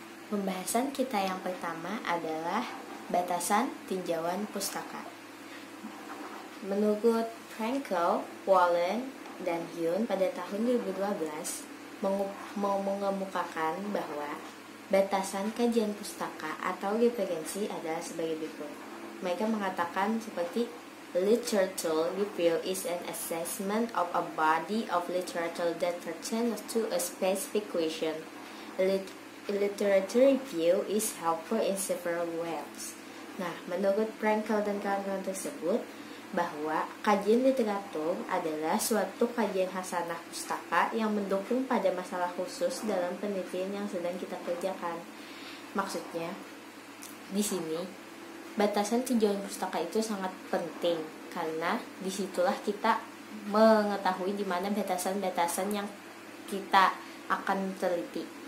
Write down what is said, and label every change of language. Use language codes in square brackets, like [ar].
[id] Pembahasan kita yang pertama adalah batasan tinjauan pustaka. Menurut Frankel, Wallen, dan Hyun pada tahun 2012 mengemukakan bahwa batasan kajian pustaka atau referensi adalah sebagai berikut. Mereka mengatakan seperti [en] literature review is an assessment of a body of literature that pertains to a specific question. Literature review is helpful in several ways. [id] Nah, menurut Frankel dan kawan-kawan tersebut, bahwa kajian literatur adalah suatu kajian hasanah pustaka yang mendukung pada masalah khusus dalam penelitian yang sedang kita kerjakan. Maksudnya, di sini batasan tinjauan pustaka itu sangat penting karena disitulah kita mengetahui di mana batasan-batasan yang kita akan teliti.